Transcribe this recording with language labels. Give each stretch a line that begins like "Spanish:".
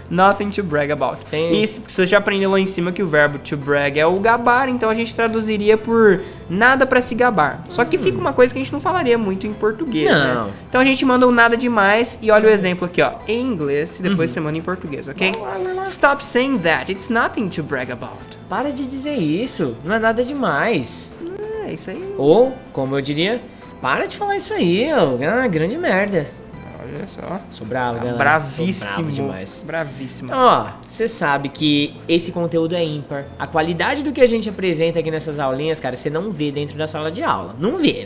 English: nothing to brag about.
Portuguese: Tem... Isso, porque você já aprendeu lá em cima que o verbo to brag é o gabar, então a gente traduziria por nada pra se gabar. Só que fica uma coisa que a gente não falaria muito em português, não. Né? Então a gente manda o nada demais e olha o exemplo aqui, ó. Em inglês, e depois você manda em português, ok?
English: Stop saying that, it's nothing to brag about.
Portuguese: Para de dizer isso, não é nada demais. É, isso aí. Ou, como eu diria... Para de falar isso aí, ô. Ah, grande merda. Olha só. Sou bravo, galera. Bravíssimo. Sou bravo demais. Bravíssimo. Então, ó, você sabe que esse conteúdo é ímpar. A qualidade do que a gente apresenta aqui nessas aulinhas, cara, você não vê dentro da sala de aula. Não vê.